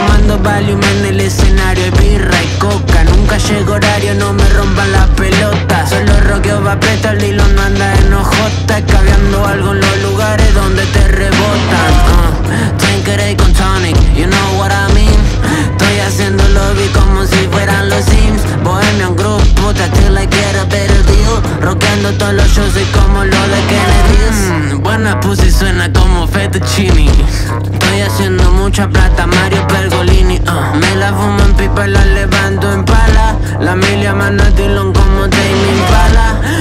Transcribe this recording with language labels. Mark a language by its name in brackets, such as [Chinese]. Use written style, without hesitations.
[Spanish] tomando Valium en el escenario, es birra y coca. Nunca llego horario, no me rompan la pelota. Solo roqueo va preto, el hilo no anda en OJ. Cabeando algo en los lugares donde te rebotan. Tanqueray con tonic, [English] you know what I mean. [Spanish] Estoy haciendo lobby como si fueran los Sims. [English] Bohemian group, puta, still I get a better deal. [Spanish] Rockeando todos los shows, soy como lo de Kennedy. Buena pussy, suena como fettuccini. Estoy haciendo mucha plata, Mario Pergolini. Me la fumo en pipa, la levanto en pala. La milia mano a Dylan como Damien Pala.